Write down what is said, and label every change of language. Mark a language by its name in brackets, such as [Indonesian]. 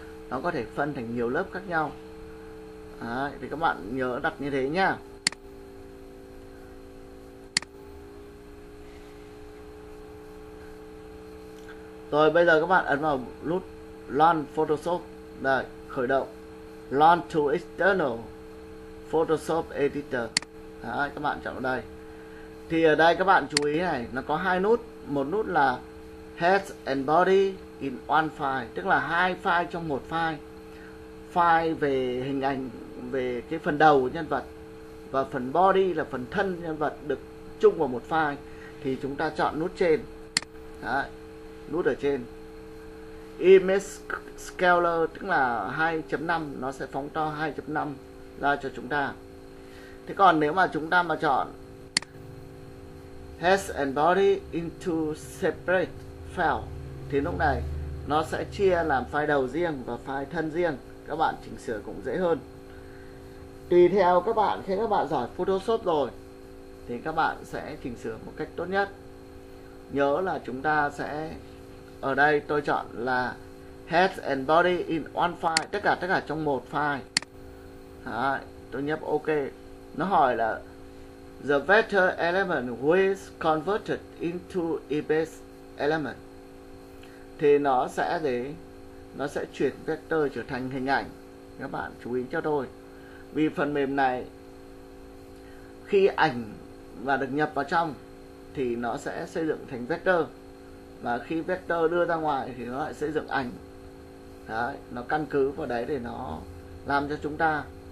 [Vietnamese] Nó có thể phân thành nhiều lớp khác nhau. Đấy. Thì các bạn nhớ đặt như thế nhá. Rồi bây giờ các bạn ấn vào nút [English] Launch Photoshop. [Vietnamese] Đây, khởi động. [English] Launch to external Photoshop editor. [Vietnamese] Đấy, các bạn chọn ở đây. Thì ở đây các bạn chú ý này, nó có hai nút, một nút là [English] head and body in one file, [Vietnamese] tức là hai file trong một file. File về hình ảnh, về cái phần đầu của nhân vật, và phần body là phần thân nhân vật được chung vào một file. Thì chúng ta chọn nút trên. Đấy, nút ở trên. Image Scaler, tức là 2.5, nó sẽ phóng to 2.5 ra cho chúng ta. Thế còn nếu mà chúng ta mà chọn [English] Head and Body into Separate File, [Vietnamese] thì lúc này nó sẽ chia làm file đầu riêng và file thân riêng. Các bạn chỉnh sửa cũng dễ hơn. Tùy theo các bạn, khi các bạn giỏi Photoshop rồi thì các bạn sẽ chỉnh sửa một cách tốt nhất. Nhớ là chúng ta sẽ, ở đây tôi chọn là [English] Head and Body in one file, [Vietnamese] tất cả trong một file. Đấy, tôi nhấp OK. Nó hỏi là [English] the vector element was converted into image element. [Vietnamese] Thì nó sẽ để nó sẽ chuyển vector trở thành hình ảnh. Các bạn chú ý cho tôi. Vì phần mềm này khi ảnh và được nhập vào trong thì nó sẽ xây dựng thành vector. Và khi vector đưa ra ngoài thì nó lại xây dựng ảnh. Đấy, nó căn cứ vào đấy để nó làm cho chúng ta.